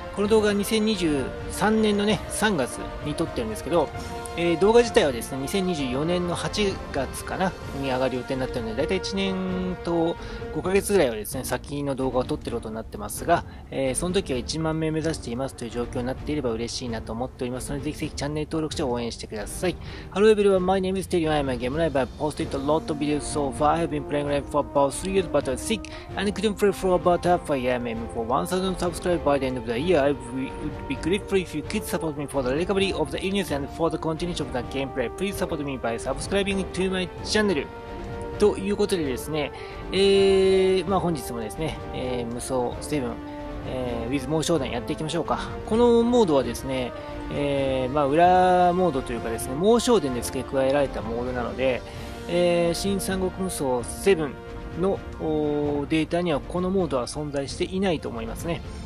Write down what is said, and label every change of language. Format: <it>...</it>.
<ja>この動画は2023年のね3月に撮ってるんですけど、動画自体はですね2024年の8月かなに上がる予定になってるので、だいたい1年と5ヶ月ぐらいはですね先の動画を撮ってることになってますが、その時は1万名目指していますという状況になっていれば嬉しいなと思っておりますので、ぜひぜひチャンネル登録して応援してください。</ja> <en>Hello everyone, my name is Terion. I am a game live. I posted a lot of videos so far. I have been playing live for about 3 years but I was sick and couldn't play for about half a year. I'm aiming for 1,000 subscribers by the end of the year. I would be grateful if you could support me for the recovery of the illness and for the continuation of the gameplay. Please support me by subscribing to my channel.</en> <ja>ということでですね、まあ本日もですね、無双セブン、ウィズモーショーデンやっていきましょうか。このモードはですね、まあ裏モードというかですね、モーショーデンで付け加えられたモードなので、新三国無双セブンのデータにはこのモードは存在していないと思いますね。</ja>